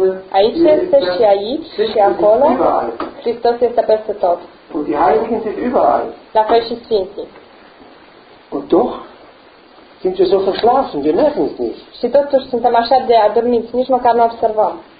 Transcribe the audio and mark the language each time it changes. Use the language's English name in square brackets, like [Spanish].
[Romanian] Aici este și aici și acolo. Hristos este peste tot. [German] Und die Heiligen sind überall. [Romanian] La fel și Sfinții. [German] Und doch sind wir so verschlafen, wir merken es nicht. [Romanian] Și totuși suntem așa de adormiți, nici măcar nu observăm.